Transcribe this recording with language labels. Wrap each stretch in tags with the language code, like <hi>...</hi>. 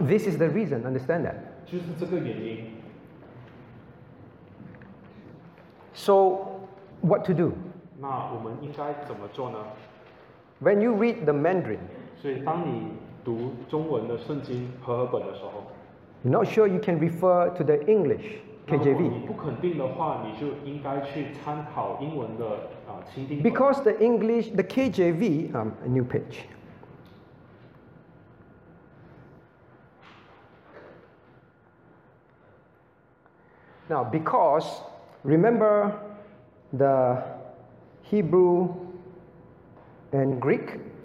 <en>This is the reason. Understand that.</en> <zh>就是这个原因。</zh> <en>So, what to do?</en> <zh>那我们应该怎么做呢？</zh> <en>When you read the Mandarin,</en> <zh>所以当你读中文的圣经和合本的时候。</zh> <en>You're not sure, you can refer to the English KJV.</en> <zh>如果你不肯定的话，你就应该去参考英文的 钦定本。</zh> <en>Because the English, the KJV, a new page. Now, because remember the Hebrew and Greek.</en>